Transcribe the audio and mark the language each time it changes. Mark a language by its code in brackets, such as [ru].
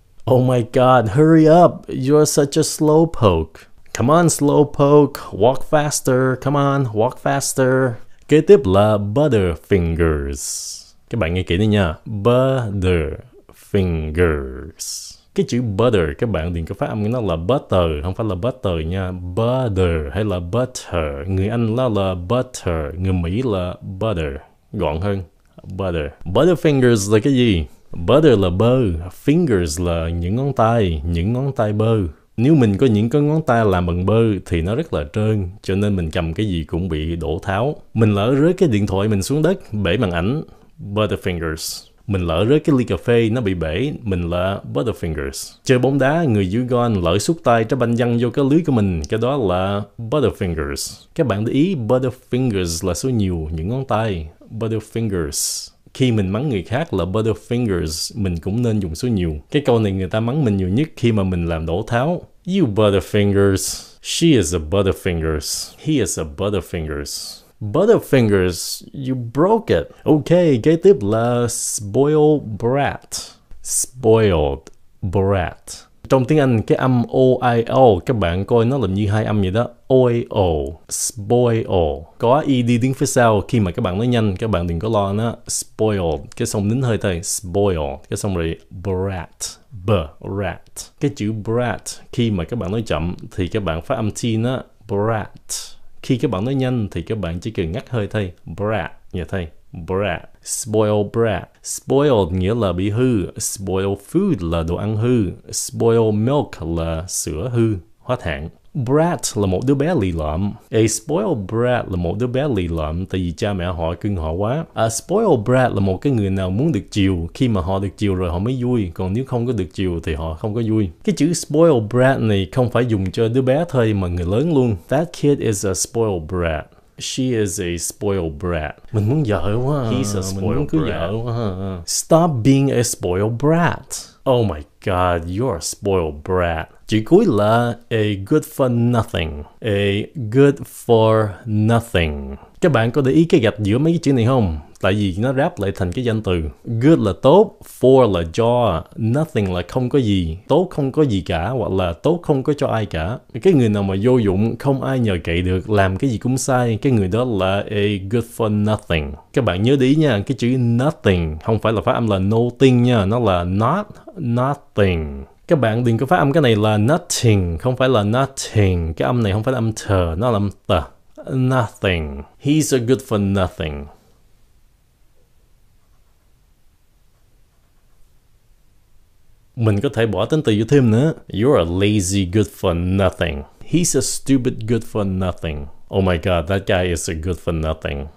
[en] Oh my god, hurry up, you're such a slowpoke. Come on slowpoke, walk faster, come on, walk faster. [vi] Kế tiếp là butterfingers. Các bạn nghe kỹ đi nha, butterfingers. Cái chữ butter, các bạn đừng có phát âm nó là butter, không phải là butter nha. Butter hay là butter. Người Anh là butter, người Mỹ là butter. Gọn hơn, butter. Butterfingers là cái gì? Butter là bơ, fingers là những ngón tay bơ. Nếu mình có những cái ngón tay làm bằng bơ thì nó rất là trơn, cho nên mình cầm cái gì cũng bị đổ tháo. Mình lỡ rớt cái điện thoại mình xuống đất, bể màn ảnh, butterfingers. Mình lỡ rớt cái ly cà phê, nó bị bể, mình là butterfingers. Chơi bóng đá, người dưới gôn lỡ xúc tay trái banh văng vô cái lưới của mình, cái đó là butterfingers. Các bạn để ý, butterfingers là số nhiều, những ngón tay, butterfingers. Khi mình mắng người khác là butterfingers, mình cũng nên dùng số nhiều. Cái câu này người ta mắng mình nhiều nhất khi mà mình làm đổ tháo. [en] You butterfingers, she is a butterfingers, he is a butterfingers. Butterfingers, you broke it. [vi] Okay, kế tiếp là spoiled brat. Spoiled brat. Trong tiếng Anh, cái âm O-I-L, các bạn coi nó làm như hai âm vậy đó. O-I-O, spoiled. Có E-D đứng phía sau, khi mà các bạn nói nhanh, các bạn đừng có lo nó. Spoiled, cái xong nín hơi thôi. Spoiled, cái xong rồi brat. B-rat. Cái chữ brat, khi mà các bạn nói chậm, thì các bạn phát âm T nó. Brat. Khi các bạn nói nhanh thì các bạn chỉ cần ngắt hơi thôi, brat, nhờ thôi, brat. Spoiled bread. Spoiled nghĩa là bị hư. Spoiled food là đồ ăn hư. Spoiled milk là sữa hư, hóa thạn. Brat là một đứa bé lì lợm. A spoiled brat là một đứa bé lì lợm tại vì cha mẹ họ cưng họ quá. A spoiled brat là một cái người nào muốn được chiều, khi mà họ được chiều rồi họ mới vui, còn nếu không có được chiều thì họ không có vui. Cái chữ spoiled brat này không phải dùng cho đứa bé thôi mà người lớn luôn. [en] That kid is a spoiled brat. She is a spoiled brat. [vi] Mình muốn dở quá. [en] He's a spoiled [vi] brat. Dở quá. [en] Stop being a spoiled brat. Oh my god, you're a spoiled brat. [vi] Chữ cuối là [en] a good for nothing. A good for nothing. [vi] Các bạn có để ý cái gạch giữa mấy cái chữ này không? Tại vì nó ráp lại thành cái danh từ. Good là tốt, for là cho, nothing là không có gì, tốt không có gì cả, hoặc là tốt không có cho ai cả. Cái người nào mà vô dụng, không ai nhờ cậy được, làm cái gì cũng sai, cái người đó là a good for nothing. Các bạn nhớ đi nha, cái chữ nothing không phải là phát âm là nothing nha, nó là not nothing. Các bạn đừng có phát âm cái này là nothing, không phải là nothing. Cái âm này không phải là âm th, nó là âm th. Nothing. [en] He's a good for nothing. [vi] Mình có thể bỏ tính từ vô thêm nữa. [en] You're a lazy good for nothing. He's a stupid good for nothing. Oh my god, that guy is a good for nothing.